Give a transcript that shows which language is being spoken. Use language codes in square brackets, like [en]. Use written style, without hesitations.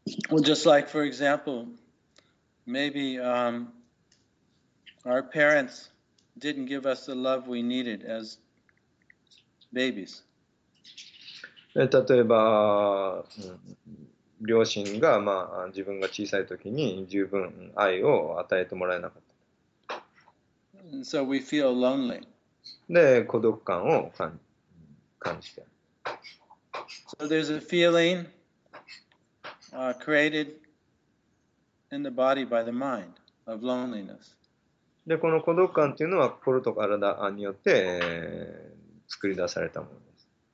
[en] Well, just like, for example, maybe, our parents didn't give us the love we needed as babies. [ja] 例えば、両親が、まあ、自分が小さい時に十分愛を与えてもらえなかった。 [en] And so we feel lonely. [ja] で、孤独感を感じて。 [en] So there's a feeling, created in the body by the mind of loneliness. [ja] で、この孤独感というのは心と体によって、作り出されたものです。